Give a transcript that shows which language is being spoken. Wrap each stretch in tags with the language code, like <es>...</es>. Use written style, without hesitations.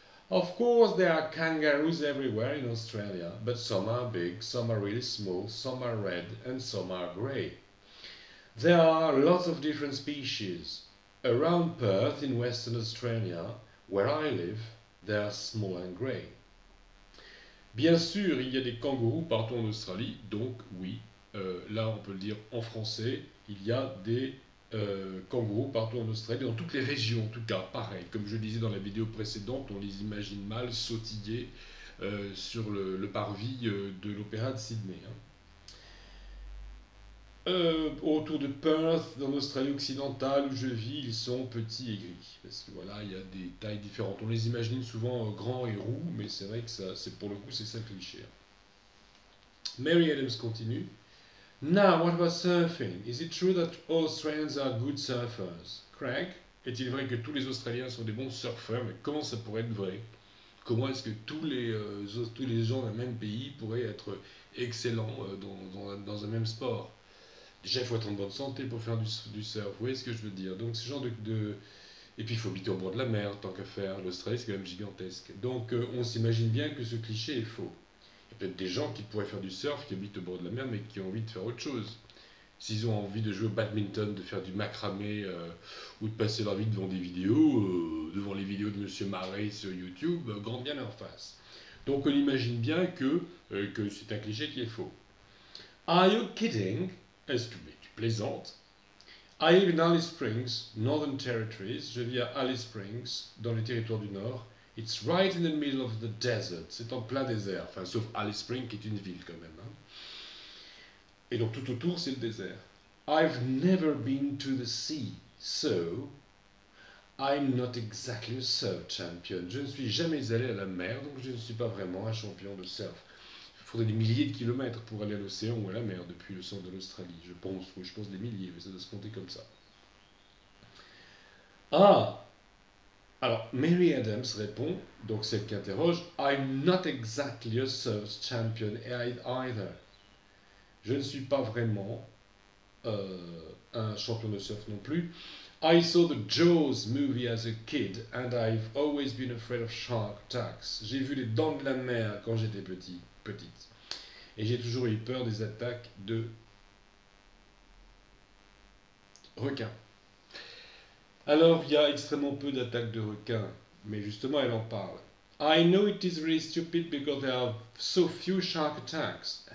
<en>Of course, there are kangaroos everywhere in Australia, but some are big, some are really small, some are red, and some are grey. There are lots of different species. Around Perth, in Western Australia, where I live, they are small and grey.</en> <fr>Bien sûr, il y a des kangourous partout en Australie, donc oui, là on peut le dire en français, il y a des kangourous partout en Australie, dans toutes les régions en tout cas, pareil. Comme je disais dans la vidéo précédente, on les imagine mal sautiller sur le parvis de l'Opéra de Sydney. Hein. Autour de Perth, dans l'Australie occidentale où je vis, ils sont petits et gris. Parce que voilà, il y a des tailles différentes. On les imagine souvent grands et roux, mais c'est vrai que ça, c'est pour le coup, c'est ça le cliché. Hein.</fr> <en>Mary Adams continue. Now, what about surfing? Is it true that Australians are good surfers?</en> <fr>Craig, est-il vrai que tous les Australiens sont des bons surfeurs? Mais comment ça pourrait être vrai? Comment est-ce que tous les gens d'un même pays pourraient être excellents dans un même sport? Déjà, il faut être en bonne santé pour faire du surf, vous voyez ce que je veux dire. Donc, ce genre de. Et puis, il faut habiter au bord de la mer, tant qu'à faire. L'Australie, c'est quand même gigantesque. Donc, on s'imagine bien que ce cliché est faux. Il y a peut-être des gens qui pourraient faire du surf, qui habitent au bord de la mer, mais qui ont envie de faire autre chose. S'ils ont envie de jouer au badminton, de faire du macramé, ou de passer leur vie devant des vidéos, devant les vidéos de Monsieur Marais sur YouTube, grand bien leur fasse. Donc, on imagine bien que c'est un cliché qui est faux.</fr> <en>Are you kidding?</en> <fr>Est-ce que mais, tu plaisantes?</fr> <en>I live in Alice Springs, Northern Territories.</en> <fr>Je vis à Alice Springs, dans les territoires du Nord.</fr> <en>It's right in the middle of the desert.</en> <fr>C'est en plein désert. Enfin, sauf Alice Springs, qui est une ville quand même. Hein. Et donc tout autour, c'est le désert.</fr> <en>I've never been to the sea, so I'm not exactly a surf champion.</en> <fr>Je ne suis jamais allé à la mer, donc je ne suis pas vraiment un champion de surf. Il faudrait des milliers de kilomètres pour aller à l'océan ou à la mer depuis le centre de l'Australie, je pense. Oui, je pense des milliers, mais ça doit se compter comme ça.</fr> <en>Ah!</en> <fr>Alors, Mary Adams répond, donc celle qui interroge,</fr> <en>I'm not exactly a surf champion either.</en> <fr>Je ne suis pas vraiment un champion de surf non plus.</fr> <en>I saw the Jaws movie as a kid and I've always been afraid of shark attacks.</en> <fr>J'ai vu les dents de la mer quand j'étais petit. Petite. Et j'ai toujours eu peur des attaques de requins. Alors, il y a extrêmement peu d'attaques de requins, mais justement, elle en parle.</fr> <en>I know it is really stupid because there are so few shark attacks.</en>